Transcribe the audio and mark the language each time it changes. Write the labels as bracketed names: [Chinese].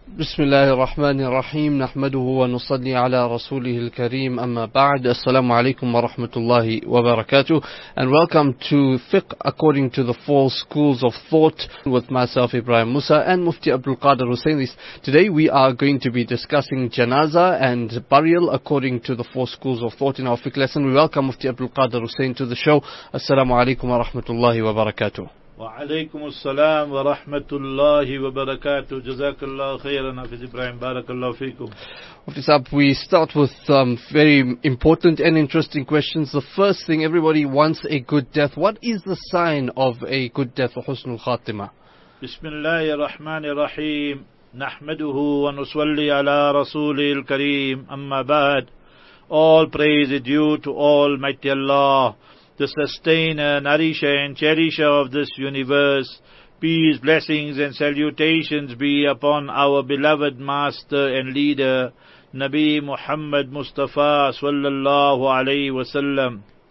[Arabic] بسم الله الرحمن الرحيم، نحمده ونصلي على رسوله الكريم، أما بعد. السلام عليكم ورحمة الله وبركاته. [English] And welcome to Fiqh According to the Four Schools of Thought with myself Ibrahim Musa and Mufti Abdul Qadir Husseinis. Today we are going to be discussing janazah and burial according to the Four Schools of Thought in our Fiqh lesson. We welcome Mufti Abdul Qadir Hussein to the show. [Arabic] السلام عليكم ورحمة الله وبركاته. وعليكم السلام ورحمة الله وبركاته. جزاك الله خيرا حفظ إبراهيم بارك الله فيكم. [English] We start with very important and interesting questions. The first thing, everybody wants a good death. What is the sign of a good death or [Arabic] حسن الخاتمة? بسم الله الرحمن الرحيم نحمده ونصلي على رسوله الكريم أما بعد. [English] All praise is due to Almighty Allah, the sustainer, nourisher and cherisher of this universe. Peace, blessings and salutations be upon our beloved master and leader, Nabi Muhammad Mustafa sallallahu alayhi wa sallam.